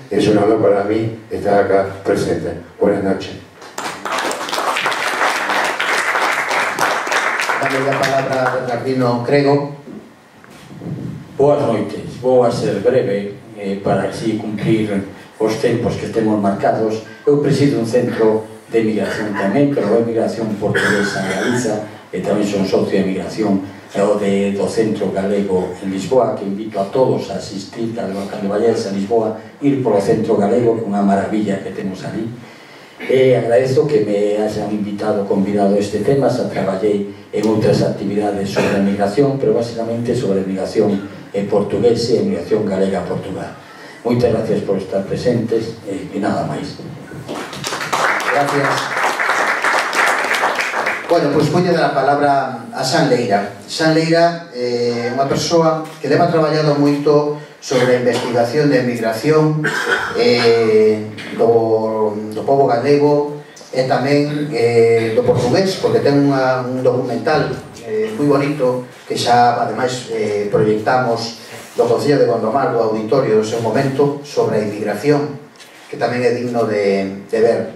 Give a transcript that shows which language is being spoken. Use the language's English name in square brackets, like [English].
[Spanish] Es un honor para mí estar acá presente. Buenas noches. Dame la palabra a Bernardino Crego. Buenas noches. Voy a ser breve para así cumplir [Galician] os tempos que temos marcados. Eu presido un centro de emigración tamén, pero é emigración portuguesa en Galiza, e tamén son socio de emigración do centro galego en Lisboa, que invito a todos a asistir a Lisboa, ir polo centro galego, que é unha maravilla que temos ali. [Spanish] Agradezco que me hayan invitado, convidado a este tema. Ya trabajé en otras actividades sobre migración, pero básicamente sobre migración portuguesa y migración galega a Portugal. Muchas gracias por estar presentes y nada más. Gracias. Bueno, pues voy a dar la palabra a San Leira. [Galician] San Leira é unha persoa que leva traballado moito sobre a investigación de migración do povo galego e tamén do portugués, porque ten un documental moi bonito que xa, ademais, proyectamos do Concello de Gondomar, do auditorio, en ese momento, sobre a inmigración, que tamén é digno de ver.